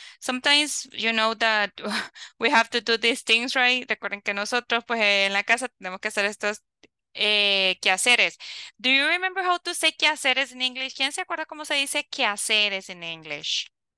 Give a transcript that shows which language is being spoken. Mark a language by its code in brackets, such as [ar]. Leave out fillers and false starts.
[en] Sometimes, you know, that we have to do these things, right? [es] Recuerden que nosotros, pues, en la casa tenemos que hacer estos quehaceres. [en] Do you remember how to say quehaceres in English? [es] ¿Quién se acuerda cómo se dice quehaceres [en] in English?